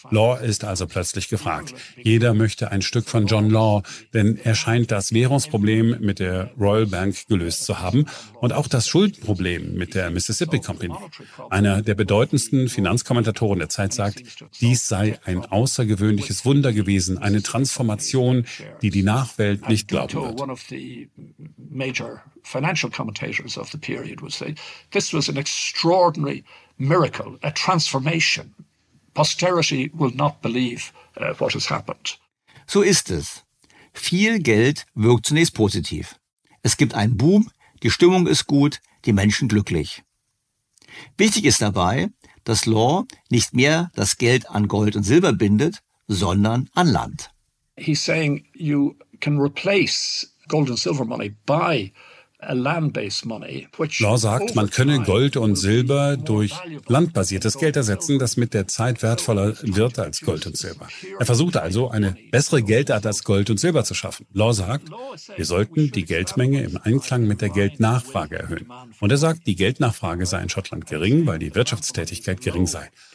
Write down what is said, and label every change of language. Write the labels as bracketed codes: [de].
[de] Law ist also plötzlich gefragt. Jeder möchte ein Stück von John Law, denn er scheint das Währungsproblem mit der Royal Bank gelöst zu haben und auch das Schuldenproblem mit der Mississippi Company. Einer der bedeutendsten Finanzkommentatoren der Zeit sagt, dies sei ein außergewöhnliches Wunder gewesen, eine Transformation, die die Nachwelt nicht glauben wird. [en] major financial commentators of the period would say, this was an extraordinary miracle, a transformation. Posterity will not believe what has happened. [de] So ist es. Viel Geld wirkt zunächst positiv. Es gibt einen Boom, die Stimmung ist gut, die Menschen glücklich. Wichtig ist dabei, dass Law nicht mehr das Geld an Gold und Silber bindet, sondern an Land. [en] He's saying you can replace gold and silver money by a land-based money, which [de] Law sagt, man könne Gold und Silber durch landbasiertes Geld ersetzen, das mit der Zeit wertvoller wird als Gold und Silber. Er versuchte also, eine bessere Geldart als Gold und Silber zu schaffen. Law sagt, wir sollten die Geldmenge im Einklang mit der Geldnachfrage erhöhen. Und er sagt, die Geldnachfrage sei in Schottland gering, weil die Wirtschaftstätigkeit gering sei.